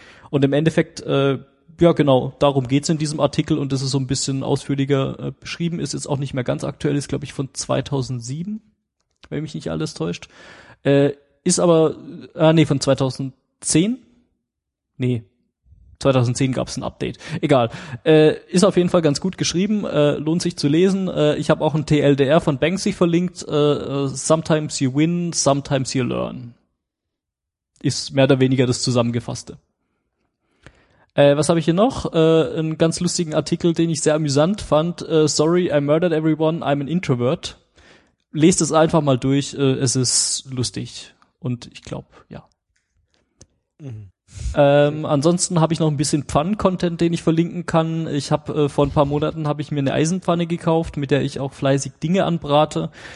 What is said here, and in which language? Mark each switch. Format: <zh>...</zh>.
<de>Und im Endeffekt, ja genau, darum geht's in diesem Artikel, und das ist so ein bisschen ausführlicher beschrieben, ist jetzt auch nicht mehr ganz aktuell, ist glaube ich von 2007, wenn mich nicht alles täuscht. Ist aber, von 2010? Nee. 2010 gab es ein Update. Egal. Ist auf jeden Fall ganz gut geschrieben. Lohnt sich zu lesen. Ich habe auch ein TLDR von Banksy verlinkt.</de> <en>Sometimes you win, sometimes you learn.</en> <de>Ist mehr oder weniger das Zusammengefasste. Was habe ich hier noch? Einen ganz lustigen Artikel, den ich sehr amüsant fand.</de> <en>Sorry, I murdered everyone, I'm an introvert.</en> <de>Lest es einfach mal durch. Es ist lustig. Und ich glaube, ja. Mhm. Ansonsten habe ich noch ein bisschen Pfannen-Content, den ich verlinken kann. Ich habe vor ein paar Monaten habe ich mir eine Eisenpfanne gekauft, mit der ich auch fleißig Dinge anbrate.</de>